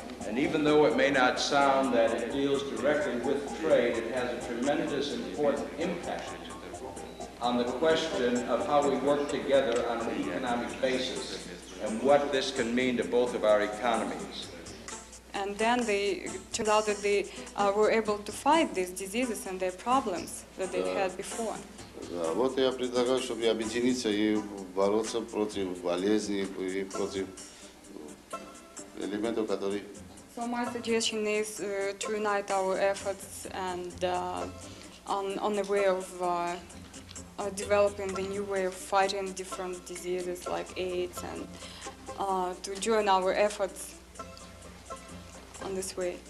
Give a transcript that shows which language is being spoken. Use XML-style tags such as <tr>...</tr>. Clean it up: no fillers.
<en>And even though it may not sound that it deals directly with trade, it has a tremendous important impact on the question of how we work together on an economic basis and what this can mean to both of our economies. And then they turned out that they were able to fight these diseases and their problems that they had before.</en> <ru>Да, вот я предлагаю, чтобы объединиться и бороться против болезней и против элементов, которые.</ru> <en>So my suggestion is to unite our efforts and on the way of developing the new way of fighting different diseases like AIDS and to join our efforts on this way.</en>